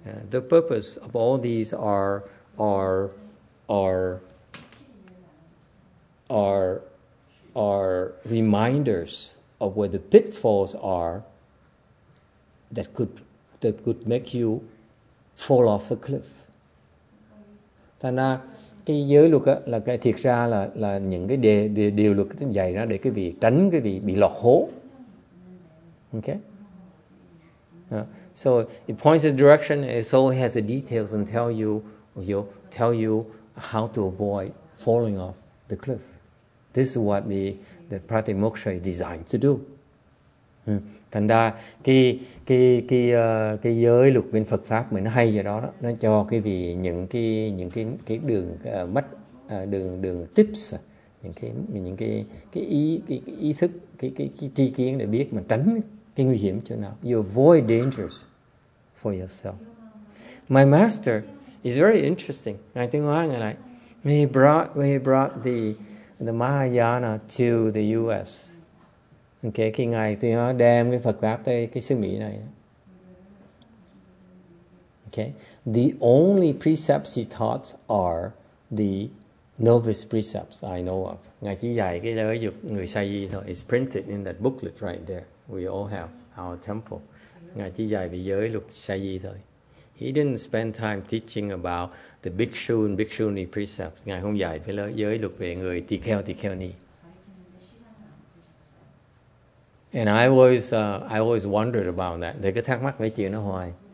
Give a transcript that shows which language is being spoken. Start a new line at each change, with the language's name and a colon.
English: The purpose of all these are reminders of where the pitfalls are that could make you fall off the cliff.
Vietnamese: Thành ra cái giới luật á là cái thiệt ra là những cái điều luật dạy ra để cái vị tránh cái vị bị lọt hố.
English: Okay. So it points the direction, it so has the details and tell you how to avoid falling off the cliff. This is what the Pratimoksha is designed to do.
Vietnamese: Thành ra cái giới luật bên Phật pháp mình hay vậy đó, nó cho cái vị những cái đường mất đường tips, những cái ý thức cái tri kiến để biết mà tránh cái nguy hiểm chỗ nào.
English: You avoid dangers for yourself. My master is very interesting. I think Hoàng and I, when he brought the Mahayana to the U.S.
Vietnamese: Okay, khi ngài thì nó đem cái Phật pháp tới cái xứ Mỹ này.
English: Okay, the only precepts he taught are the novice precepts I know of.
Vietnamese: Ngài chỉ dạy cái giới dục người sa di thôi.
English: It's printed in that booklet right there. We all have our temple.
Vietnamese: Ngài chỉ dạy về giới luật sa di thôi.
English: He didn't spend time teaching about the bhikshu and bhikshuni precepts.
Vietnamese: Ngài không dạy về giới luật về người tỳ kheo ni.
English: And I always wondered about that.
Vietnamese: Để cái thắc mắc về chuyện đó hoài.